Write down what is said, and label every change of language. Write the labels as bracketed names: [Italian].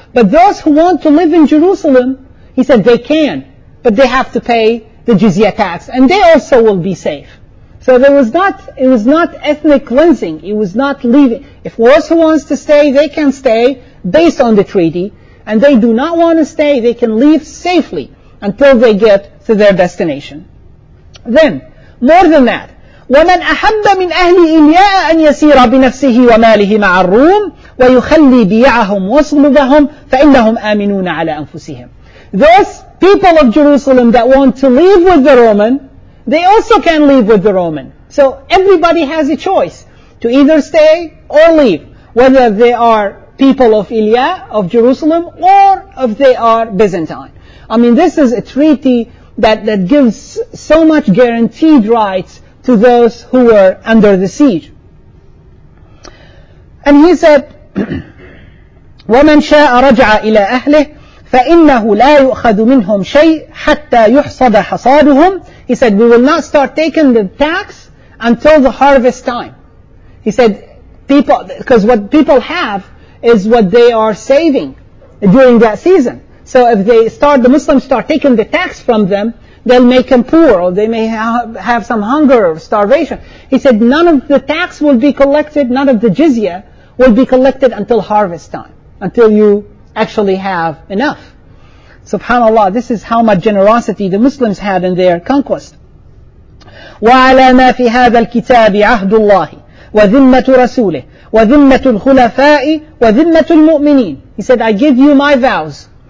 [English] But those who want to live in Jerusalem, he said, they can, but they have to pay the jizya tax, and they also will be safe. So there was not, it was not ethnic cleansing. It was not leaving. If those who wants to stay, they can stay based on the treaty. And they do not want to stay, they can leave safely until they get to their destination. Then, more than that, [Arabic] وَمَنْ أَحَبَّ مِنْ أَهْلِ إِلْيَاءَ أَنْ يَسِيرَ بِنَفْسِهِ وَمَالِهِ مَعَ الرُّومِ وَيُخَلِّي بِيَعَهُمْ وَصُلُبَهُمْ فَإِنَّهُمْ آمِنُونَ عَلَىٰ أَنفُسِهِمْ [English] Those people of Jerusalem that want to leave with the Roman, they also can leave with the Roman. So everybody has a choice to either stay or leave, whether they are people of Ilia, of Jerusalem, or if they are Byzantine. I mean, this is a treaty that gives so much guaranteed rights to those who were under the siege. And he said, [Arabic] وَمَنْ شَاءَ رَجْعَ إِلَىٰ أَهْلِهِ فَإِنَّهُ لَا يُؤْخَذُ مِنْهُمْ شَيْءٍ حَتَّى يُحْصَدَ حَصَادُهُمْ. [English] He said, we will not start taking the tax until the harvest time. He said, because what people have is what they are saving during that season. So if the Muslims start taking the tax from them, they'll make them poor, or they may have some hunger or starvation. He said, none of the tax will be collected, none of the jizya will be collected until harvest time, until you actually have enough. SubhanAllah, this is how much generosity the Muslims had in their conquest. [Arabic] وَعَلَى مَا فِي هَذَا الْكِتَابِ عَهْدُ اللَّهِ وَذِمَّةُ رَسُولِهِ وَذِمَّةُ الْخُلَفَاءِ وَذِمَّةُ الْمُؤْمِنِينَ. [English] He said, I give you my vows.